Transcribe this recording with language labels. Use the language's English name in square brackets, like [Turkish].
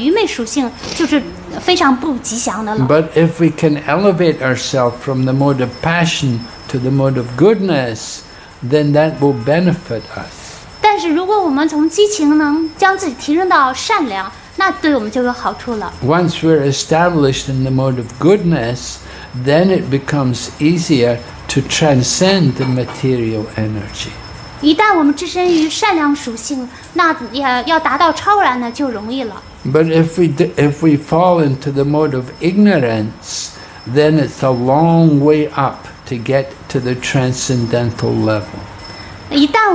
[Chinese] 倘若谁要是从激情属性堕落到愚昧属性，就是非常不吉祥的了。 [English] But if we can elevate ourselves from the mode of passion to the mode of goodness, then that will benefit us. [Chinese] 但是如果我们从激情能将自己提升到善良，那对我们就有好处了。 [English] Once we're established in the mode of goodness, then it becomes easier to transcend the material energy. [Chinese] 一旦我们置身于善良属性，那要达到超然呢，就容易了。 [English] But if we fall into the mode of ignorance, then it's a long way up to get to the transcendental level.